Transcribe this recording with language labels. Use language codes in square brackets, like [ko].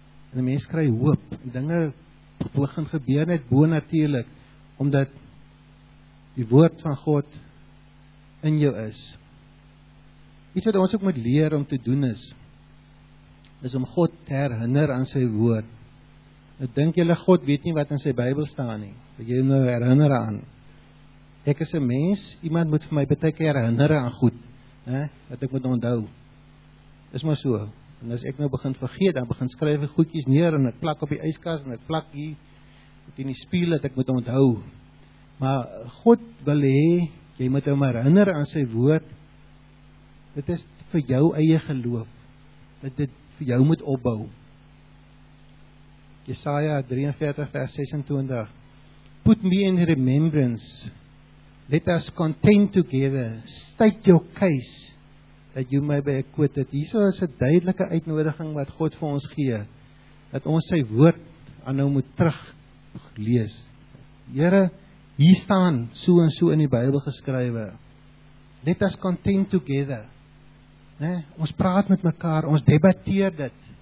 [af] En die mens kry hoop. Dinge begin gebeur net bonatuurlik, omdat die woord van God in jou is. Iets wat ons ook moet leer om te doen is om God te herinner aan sy woord. Ek dink julle God weet nie wat in sy Bybel staan nie. Wat jy nou herinner aan. Ek is 'n mens, iemand moet vir my baie keer herinner aan goed, hè, dat ek moet onthou. Is maar so. En as ek nou begin vergeet, dan begin skryf ek goedjies neer en ek plak op die yskas en ek plak hier in die spieël dat ek moet onthou. Maar God wil hê jy moet hom herinner aan sy woord. Dit is vir jou eie geloof. Dat dit vir jou moet opbou. Jesaja 43 vers 26. [en] Put me in remembrance. Let us contend together. State your case that you may be acquitted. [af] Hierso is 'n duidelike uitnodiging wat God vir ons gee. Dat ons sy woord aanhou moet terug lees. Here, hier staan so en so in die Bybel geskrywe. [en] Let us contend together. [af] Nee, ons praat met mekaar, ons debatteer dit.